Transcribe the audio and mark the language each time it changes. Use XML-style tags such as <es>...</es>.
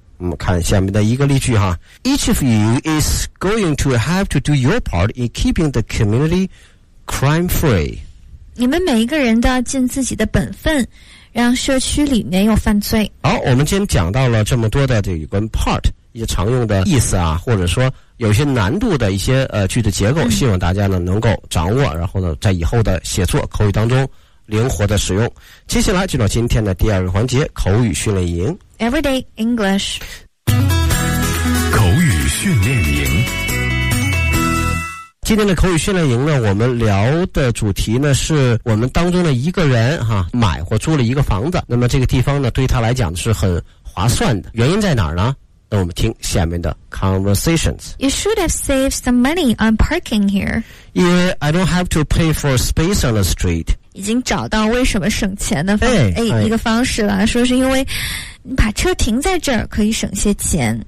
<zh>我们看下面的一个例句哈，</zh> <en>Each of you is going to have to do your part in keeping the community crime free。</en> <zh>你们每一个人都要尽自己的本分，让社区里没有犯罪。好，我们今天讲到了这么多的这个跟 part 一些常用的意思啊，或者说有些难度的一些句子结构，希望大家呢能够掌握，然后呢在以后的写作口语当中灵活的使用。接下来进入今天的第二个环节，口语训练营</zh> <en>Everyday English。</en> <zh>口语训练营，今天的口语训练营呢，我们聊的主题呢是我们当中的一个人哈，买或租了一个房子，那么这个地方呢对他来讲是很划算的，原因在哪儿呢？那我们听下面的 conversations。</zh> <en>You should have saved some money on parking here. Yeah, I don't have to pay for space on the street.</en> <zh>已经找到为什么省钱的一个方式了，说是因为你把车停在这儿可以省些钱。</zh>